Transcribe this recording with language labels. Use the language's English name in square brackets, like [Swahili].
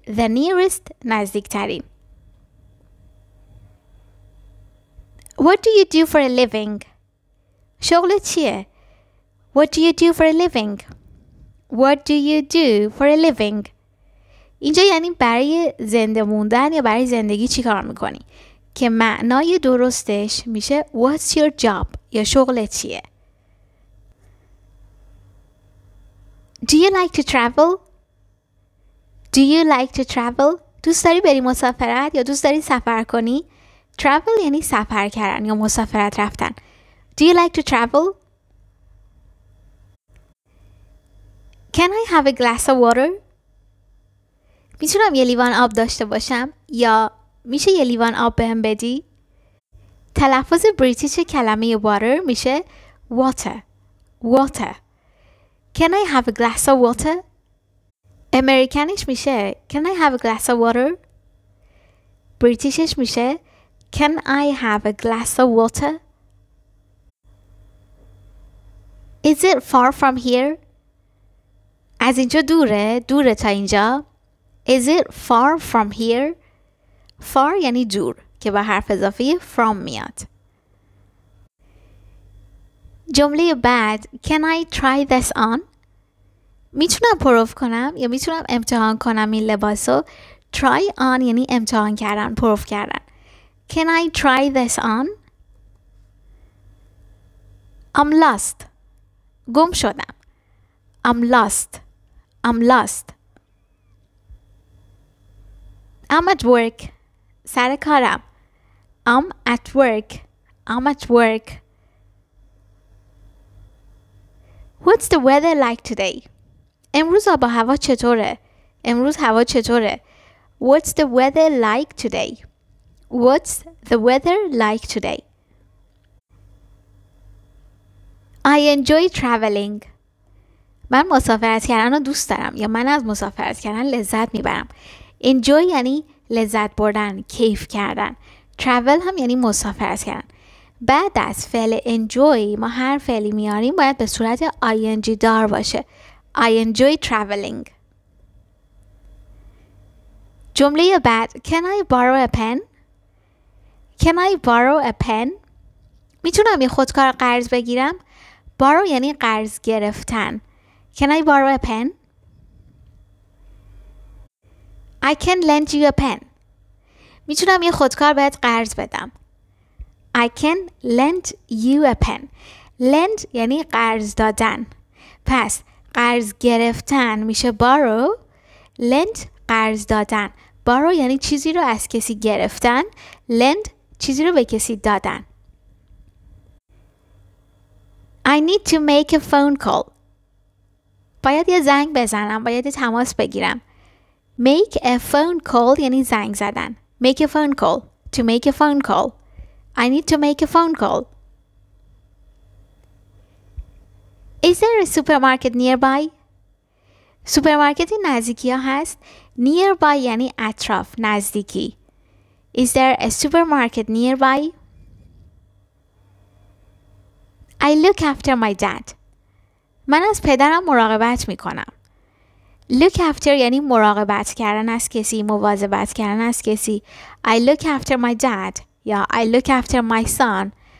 [English] The nearest [Persian] نزدیکترین. [English] What do you do for a living? [Persian] شغلت چیه؟ [English] What do you do for a living? What do you do for a living? [Persian] اینجا یعنی برای زنده موندن یا برای زندگی چی کار میکنی؟ که معنای درستش میشه [English] What's your job؟ [Persian] یا شغلت چیه؟ [English] Do you like to travel? Do you like to travel? [Persian] دوست داری بری مسافرت یا دوست داری سفر کنی؟ Travel یعنی سفر کردن یا مسافرت رفتن. [English] Do you like to travel? Can I have a glass of water? [Persian] میتونم یه لیوان آب داشته باشم یا میشه یه لیوان آب بهم بدی؟ تلفظ بریتیش کلمه water میشه water. [English] Water. Can I have a glass of water? [Persian] امریکانیش میشه [English] Can I have a glass of water? [Persian] بریتیشش میشه [English] Can I have a glass of water? Is it far from here? [Persian] از اینجا دوره؟ دوره تا اینجا؟ [English] Is it far from here? [Persian] Far یعنی دور که با حرف اضافه from میاد. جمله بعد [English] Can I try this on? [Persian] میتونم پروف کنم یا میتونم امتحان کنم این لباسو. Try on یعنی امتحان کردن، پروف کردن. [English] Can I try this on? I'm lost. [Persian] گم شدم. [English] I'm lost. I'm lost. I'm at work. [Persian] سر کارم. [English] I'm at work. I'm at work. What's the weather like today? [Persian] امروز با هوا چطوره؟ امروز هوا چطوره؟ [English] What's the weather like today? What's the weather like today? I enjoy traveling. [Persian] من مسافرت کردن رو دوست دارم یا من از مسافرت کردن لذت میبرم. Enjoy یعنی لذت بردن، کیف کردن. Travel هم یعنی مسافرت کردن. بعد از فعل enjoy ما هر فعلی میاریم باید به صورت ing دار باشه. [English] I enjoy traveling. [Persian] جمله بعد [English] Can I borrow a pen? Can I borrow a pen? [Persian] میتونم یه خودکار قرض بگیرم؟ Borrow یعنی قرض گرفتن. [English] Can I borrow a pen? I can lend you a pen. [Persian] میتونم یه خودکار بهت قرض بدم. [English] I can lend you a pen. [Persian] Lend یعنی قرض دادن. پس قرض گرفتن میشه borrow. Lend قرض دادن. Borrow یعنی چیزی رو از کسی گرفتن. Lend چیزی رو به کسی دادن. [English] I need to make a phone call. [Persian] باید یه زنگ بزنم. باید تماس بگیرم. [English] Make a phone call [Persian] یعنی زنگ زدن. [English] Make a phone call. To make a phone call. I need to make a phone call. Is there a supermarket nearby? [Persian] سوپرمارکتی نزدیکی هست. [English] Nearby [Persian] یعنی اطراف، نزدیکی. [English] Is there a supermarket nearby? I look after my dad. [Persian] من از پدرم مراقبت میکنم. Look after یعنی مراقبت کردن از کسی، مواظبت کردن از کسی. [English] I look after my dad. یا I look after my son.